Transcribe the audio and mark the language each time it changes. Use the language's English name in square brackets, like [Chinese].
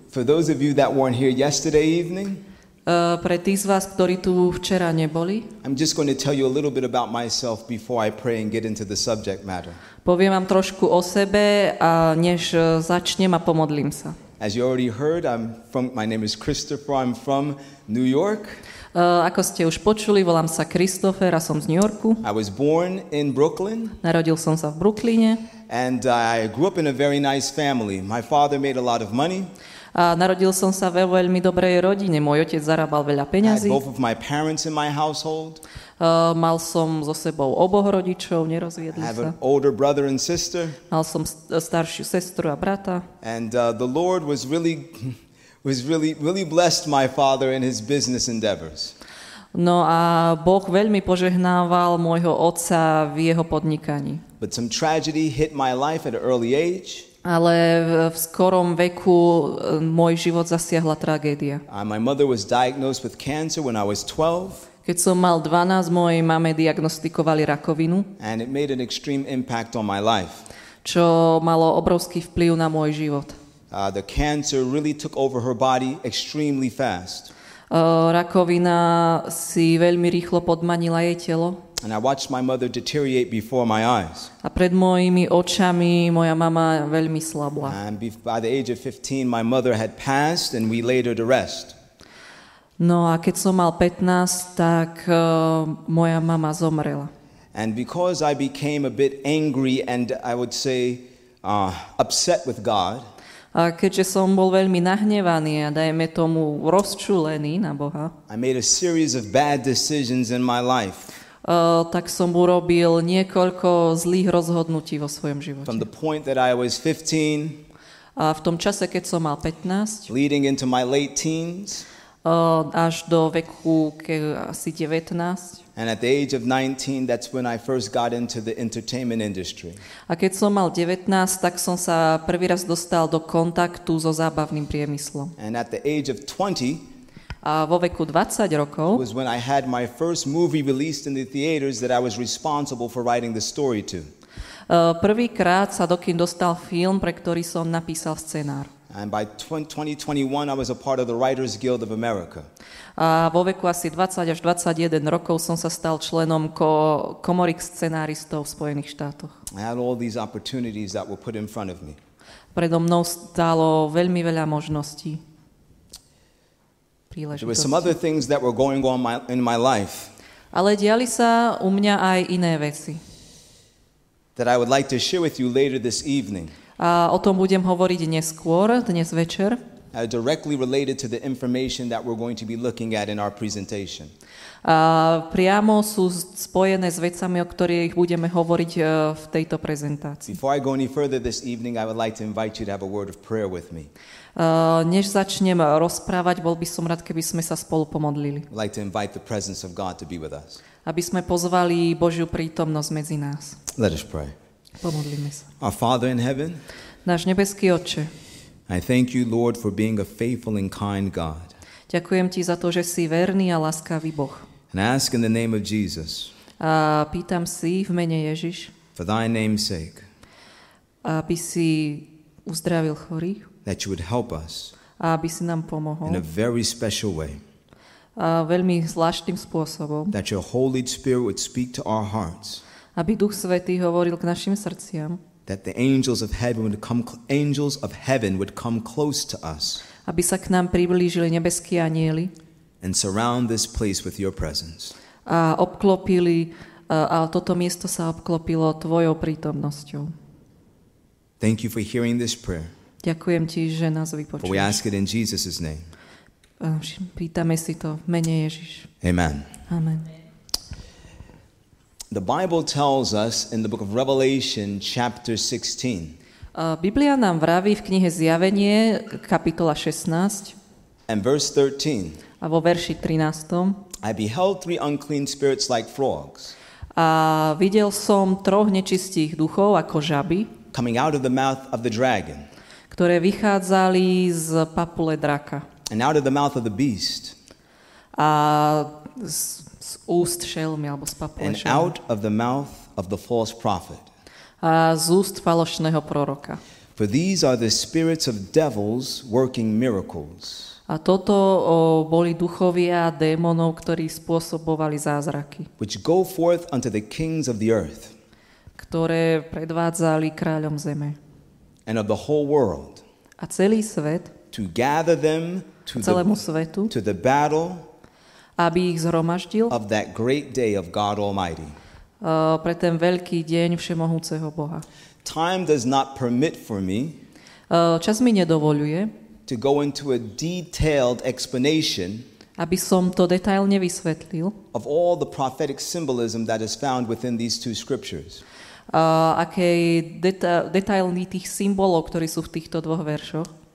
[English] For those of you that weren't here yesterday evening, [Slovak] Pre tých z vás, ktorí tu včera neboli, [English] I'm just going to tell you a little bit about myself before I pray and get into the subject matter. [Slovak] Poviem vám trošku o sebe, a než začnem a pomodlím sa. [English] As you already heard, my name is Christopher, I'm from New York. [Slovak] Ako ste už počuli, volám sa Christopher a som z New Yorku. [English] I was born in Brooklyn. [Slovak] Narodil som sa v Brooklyne. [English] And I grew up in a very nice family. My father made a lot of money. [Slovak] A narodil som sa vo veľmi dobrej rodine. Môj otec zarábal veľa peňazí. [English] Both of my parents in my household. [Slovak] Mal som so sebou oboch rodičov, nerozviedli sa. [English] I have an older brother and sister. [Slovak] Mal som staršiu sestru a brata. [English] And the Lord was really blessed my father in his business endeavors. [Slovak] No a Boh veľmi požehnával môjho otca v jeho podnikaní. [English] But some tragedy hit my life at an early age. [Slovak] Ale v skorom veku môj život zasiahla tragédia. [English] My mother was diagnosed with cancer when I was 12. [Slovak] Keď som mal 12, mojej mame diagnostikovali rakovinu. [English] And it made an extreme impact on my life. [Slovak] Čo malo obrovský vplyv na môj život. [English] The cancer really took over her body extremely fast. [Slovak] Rakovina si veľmi rýchlo podmanila jej telo. [English] And I watched my mother deteriorate before my eyes. [Slovak] A pred mojimi očami moja mama veľmi slabla. [English] And by the age of 15, my mother had passed and we laid her to rest. [Slovak] No a keď som mal 15, tak moja mama zomrela. [English] And because I became a bit angry and I would say upset with God. [Slovak] A keďže som bol veľmi nahnevaný a dajme tomu rozčulený na Boha. [English] I made a series of bad decisions in my life. [Slovak] Tak som urobil niekoľko zlých rozhodnutí vo svojom živote. [English] From the point that I was 15, [Slovak] a v tom čase, keď som mal 15, [English] leading into my late teens, [Slovak] až do veku asi 19, [English] and at the age of 19, that's when I first got into the entertainment industry. [Slovak] A keď som mal 19, tak som sa prvý raz dostal do kontaktu so zábavným priemyslom. [English] And at the age of 20, [Slovak] a vo veku 20 rokov [English] was when I had my first movie released in the theaters that I was responsible for writing the story to. [Slovak] Prvýkrát sa do kín dostal film, pre ktorý som napísal scenár. [English] And by 2021 I was a part of the Writers Guild of America. [Slovak] A vo veku asi 20 až 21 rokov som sa stal členom komory scenáristov v Spojených štátoch. [English] I had all these opportunities that were put in front of me. [Slovak] Predo mnou stálo veľmi veľa možností. [English] There were some other things that were going on in my life. [Slovak] Ale diali sa u mňa aj iné veci. [English] That I would like to share with you later this evening. [Slovak] A o tom budem hovoriť neskôr, dnes večer. [English] Directly related to the information that we're going to be looking at in our presentation. [Slovak] A priamo sú spojené s vecami, o ktorých budeme hovoriť v tejto prezentácii. [English] Before I go any further this evening, I would like to invite you to have a word of prayer with me. [Slovak] Než začnem rozprávať, bol by som rád, keby sme sa spolu pomodlili. [English] I would like to invite the presence of God to be with us. [Slovak] Aby sme pozvali Božiu prítomnosť medzi nás. [English] Let us pray. [Slovak] Pomodlíme sa. [English] Our Father in heaven. [Slovak] Náš nebeský Otče. [English] I thank you, Lord, for being a faithful and kind God. [Slovak] Ďakujem ti za to, že si verný a láskavý Boh. [English] And ask in the name of Jesus. [Slovak] A pýtam si v mene Ježiš. [English] For thy name's sake. [Slovak] Aby si uzdravil chorých. [English] That you would help us. [Slovak] A aby si nám pomohol. [English] In a very special way. [Slovak] veľmi zvláštnym spôsobom. [English] That your Holy Spirit would speak to our hearts. [Slovak] Aby Duch Svätý hovoril k našim srdciam. [English] That the angels of heaven would come, angels of heaven would come close to us. [Slovak] Aby sa k nám priblížili nebeskí anjeli. [English] And surround this place with your presence. [Slovak] A obklopili a toto miesto sa obklopilo tvojou prítomnosťou. [English] Thank you for hearing this prayer. [Slovak] Ďakujem ti, že nás vypočuješ. [English] For we ask it in Jesus' name. [Slovak] Pýtame si to v mene Ježiš. [English] Amen. [Slovak] Amen. [English] The Bible tells us in the book of Revelation chapter 16. [Slovak] Biblia nám vraví v knihe Zjavenie kapitola 16. [English] And verse 13. [Slovak] A vo verši 13. [English] I beheld three unclean spirits like frogs. [Slovak] A videl som troch nečistých duchov ako žaby. [English] Coming out of the mouth of the dragon. [Slovak] Ktoré vychádzali z papule draka. [English] And out of the mouth of the beast. [Slovak] A z úst šelmy alebo z papule šelmy. [English] And out of the mouth of the false prophet. [Slovak] A z úst falošného proroka. [English] For these are the spirits of devils working miracles. [Slovak] A toto boli duchovia démonov, ktorí spôsobovali zázraky. [English] Which go forth unto the kings of the earth. [Slovak] Ktoré predvádzali kráľom zeme. [English] And of the whole world. [Slovak] A celý svet. [English] To gather them to the battle, [Slovak] aby ich zhromaždil, [English] of that great day of God Almighty. [Slovak] Pre ten veľký deň všemohúceho Boha. [English] Time does not permit for me, [Slovak] čas mi nedovoľuje, [English] to go into a detailed explanation, [Slovak] aby som to detailne vysvetlil, [English] of all the prophetic symbolism that is found within these two scriptures. [Slovak] Detailný tých symbolov, ktorí sú v týchto dvoch veršoch.